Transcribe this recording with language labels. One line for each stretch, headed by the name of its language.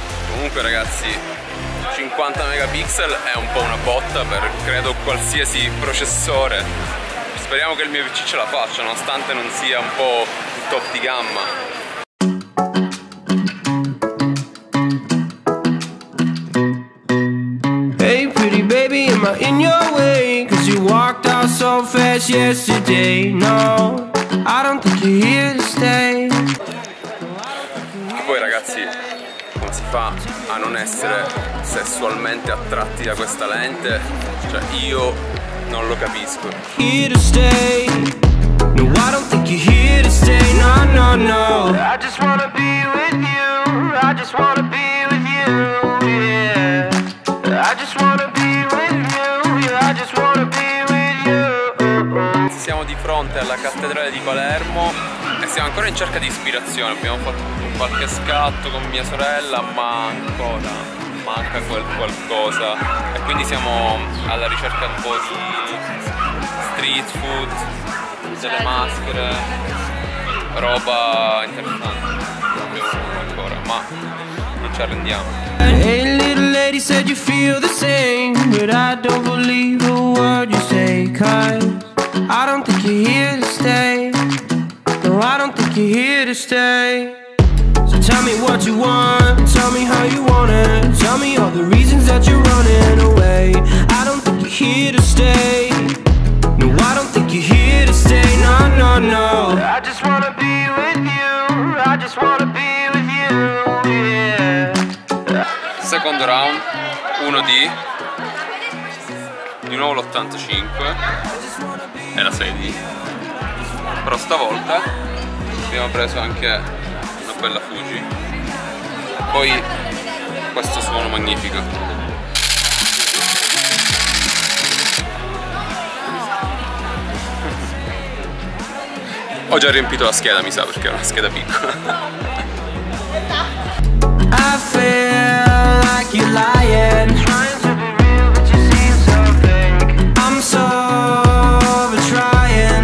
Italian: Comunque ragazzi, 50 megapixel è un po' una botta per credo qualsiasi processore. Speriamo che il mio PC ce la faccia, nonostante non sia un po' top di gamma.
English: Hey pretty baby, am I in your way? Cause you walked out so fast yesterday. No, I don't think you're here to stay.
Italian: E poi ragazzi, come si fa a non essere sessualmente attratti da questa lente? Cioè io non lo capisco.
English: Here to stay. No, I don't think you're here to stay. No, no, no. I just wanna be with you. I just wanna be with you. Yeah. I just wanna be with you. Yeah, I just wanna be with you.
Italian: Siamo di fronte alla cattedrale di Palermo e siamo ancora in cerca di ispirazione. Abbiamo fatto qualche scatto con mia sorella, ma ancora manca quel qualcosa, e quindi siamo alla ricerca un po' di street food, delle maschere, roba interessante. Ancora, ma non ci arrendiamo.
English: Hey little lady, said you feel the same, but I don't believe a word you say, cause I don't think you're here to stay. No, I don't think you're here to stay. Tell me what you want, tell me how you want it. Tell me all the reasons that you're running away. I don't think you're here to stay. No, I don't think you're here to stay. No, no, no. I just wanna be with you. I just wanna be with you. Yeah.
Italian: Secondo round, 1D. Di nuovo l'85. E la 6D. Però stavolta abbiamo preso anche bella Fuji. Poi questo suono magnifico. Ho già riempito la scheda, mi sa, perché è una scheda piccola.
English: I feel like you're lying. Trying to be real, but you seem so fake. I'm so trying.